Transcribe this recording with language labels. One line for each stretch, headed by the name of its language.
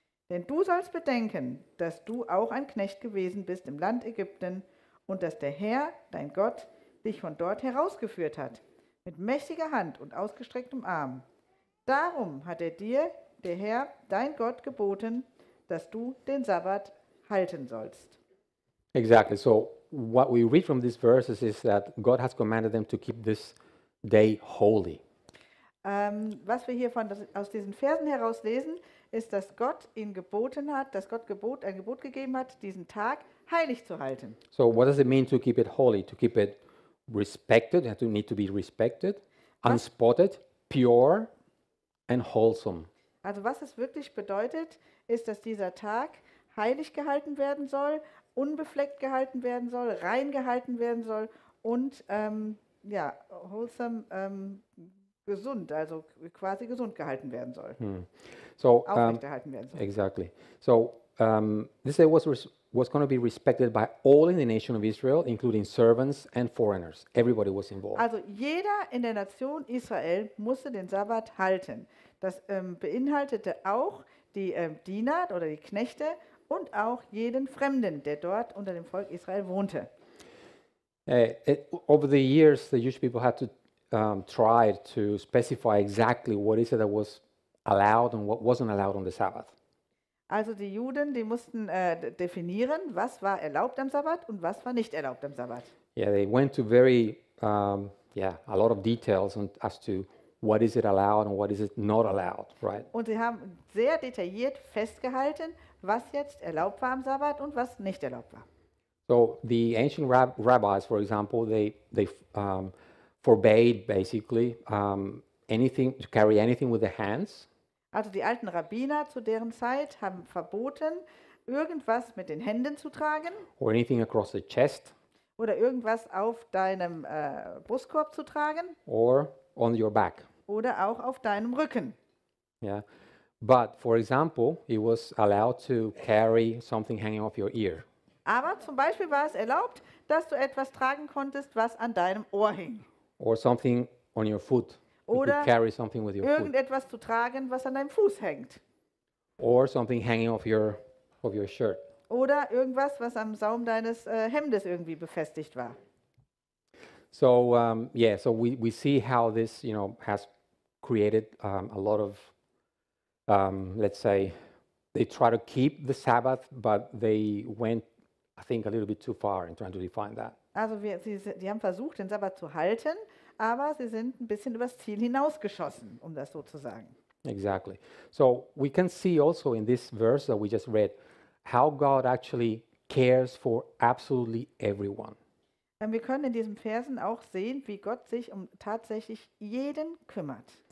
German: Denn du sollst bedenken, dass du auch ein Knecht gewesen bist im Land Ägypten und dass der Herr, dein Gott, dich von dort herausgeführt hat, mit mächtiger Hand und ausgestrecktem Arm. Darum hat er dir, der Herr, dein Gott, geboten, dass du den Sabbat halten sollst.
English: Exactly. So what we read from these verses is that God has commanded them to keep this day holy.
German: Was wir hier aus diesen Versen herauslesen, ist, dass Gott ihn geboten hat, dass Gott ein Gebot gegeben hat, diesen Tag heilig zu halten.
English: So, what does it mean to keep it holy? To keep it respected? You need to be respected, unspotted, pure and wholesome.
German: Also, was es wirklich bedeutet, ist, dass dieser Tag heilig gehalten werden soll, unbefleckt gehalten werden soll, rein gehalten werden soll und wholesome. Gesund, also quasi gesund gehalten werden soll.
English: So,
German: aufrechterhalten werden soll.
English: Exactly. So, this day was going to be respected by all in the nation of Israel, including servants and foreigners. Everybody was involved.
German: Also jeder in der Nation Israel musste den Sabbat halten. Das beinhaltete auch die Diener oder die Knechte und auch jeden Fremden, der dort unter dem Volk Israel wohnte.
English: Over the years, the Jewish people had to tried to specify exactly what is it that was allowed and what wasn't allowed on the Sabbath.
German: Also die Juden, die mussten definieren, was war erlaubt am Sabbat und was war nicht erlaubt am Sabbat.
English: Yeah, they went to very, a lot of details and as to what is it allowed and what is it not allowed, right?
German: Und sie haben sehr detailliert festgehalten, was jetzt erlaubt war am Sabbat und was nicht erlaubt war.
English: So the ancient rabbis, for example, they forbade basically anything to carry anything with the hands.
German: Also die alten Rabbiner zu deren Zeit haben verboten, irgendwas mit den Händen zu tragen
English: Or anything across the chest.
German: oder irgendwas auf deinem Brustkorb zu tragen
English: Or on your back.
German: oder auch auf deinem Rücken.
English: Yeah, but for example, it was allowed to carry something hanging off your ear.
German: Aber zum Beispiel war es erlaubt, dass du etwas tragen konntest, was an deinem Ohr hing.
English: Or something on your foot. You could
German: Oder
English: carry something with your foot.
German: irgendetwas zu tragen, was an deinem Fuß hängt.
English: Or something hanging off your shirt.
German: Oder irgendwas, was am Saum deines Hemdes irgendwie befestigt war.
English: So yeah, so we see how this, you know, has created a lot of let's say they try to keep the Sabbath, but they went, I think, a little bit too far in trying to define that.
German: Also die haben versucht, den Sabbat zu halten, aber sie sind ein bisschen übers Ziel hinausgeschossen, um das so zu sagen.
English: Exactly. So we can see also in this verse that we just read how God actually cares for absolutely everyone.
German: Wir können in diesen Versen auch sehen, wie Gott sich um tatsächlich jeden kümmert.